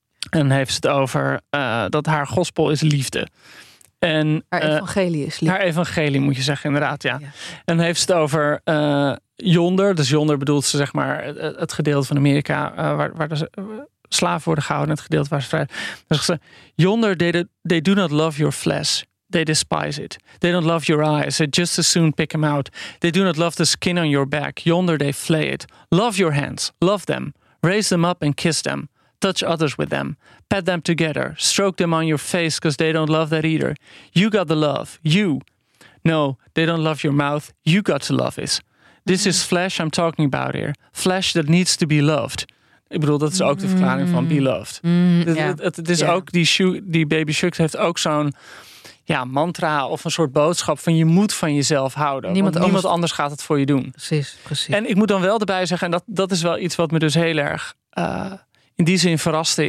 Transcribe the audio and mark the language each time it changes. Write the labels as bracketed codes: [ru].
[nl] En heeft het over dat haar gospel is liefde. En haar evangelie is liefde. Haar evangelie, moet je zeggen, inderdaad, ja. En heeft het over yonder. Dus yonder bedoelt ze, zeg maar, het gedeelte van Amerika waar ze slaven worden gehouden in het gedeelte waar ze vrij. Dan zegt ze, [en] yonder, they do not love your flesh. They despise it. They don't love your eyes. They just as soon pick them out. They do not love the skin on your back. Yonder, they flay it. Love your hands. Love them. Raise them up and kiss them. Touch others with them. Pet them together. Stroke them on your face because they don't love that either. You got the love. You. No, they don't love your mouth. You got to love it. This is flesh I'm talking about here. Flesh that needs to be loved. [nl] Ik bedoel, dat is ook de verklaring van Be Loved. Het is ook die Baby Shucks heeft ook zo'n mantra of een soort boodschap van je moet van jezelf houden. Niemand anders gaat het voor je doen. Precies. En ik moet dan wel erbij zeggen, en dat is wel iets wat me dus heel erg in die zin verraste.